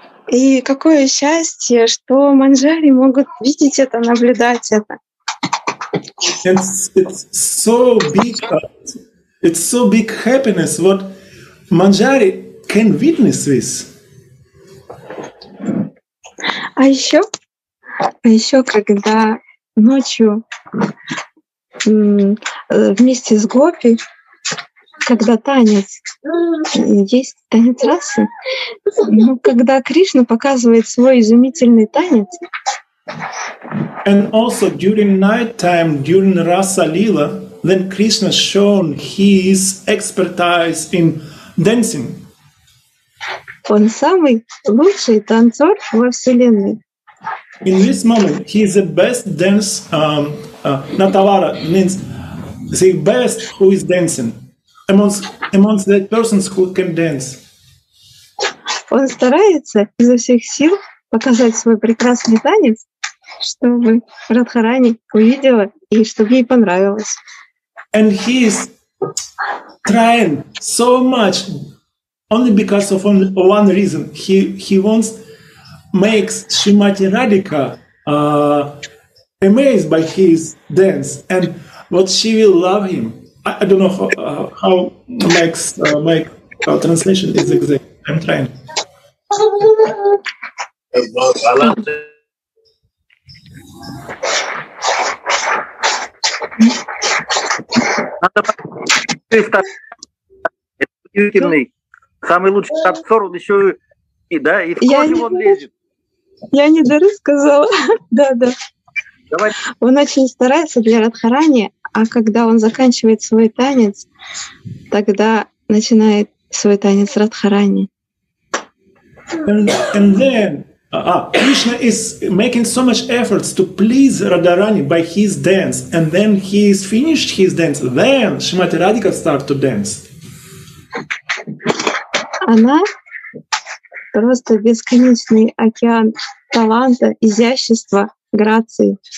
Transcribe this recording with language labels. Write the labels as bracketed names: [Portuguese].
[Russian] И какое счастье, что Манджари могут видеть это, наблюдать это. [English] And it's so big happiness what Manjari can witness this. [Russian] А еще, когда ночью вместе с Гопи, когда танец, есть танец расы, но когда Кришна показывает свой изумительный танец. [English] And also during night time, during Rasa Lila, then Krishna shown his expertise in dancing. [Russian] Он самый лучший танцор во вселенной. [English] In this moment, he is the best dance. Natavara means the best who is dancing amongst the persons who can dance. [Russian] Он старается изо всех сил показать свой прекрасный танец, чтобы Радхарани увидела и чтобы ей понравилось. [English] And he is trying so much only because of one reason. He wants makes Shrimati Radhika amazed by his dance and what she will love him. I don't know how Mike's translation is exact. I'm trying. [Russian] Это удивительный, самый лучший танцор, он еще и, да, и в кожу он лезет. Я не дорассказала, да-да. Он очень старается для Радхарани, а когда он заканчивает свой танец, тогда начинает свой танец Радхарани. [English] And then, Krishna is making so much efforts to please Radharani by his dance, and then he is finished his dance. Then Shrimati Radhika start to dance. [Russian] Она просто бесконечный океан таланта, изящества, грации.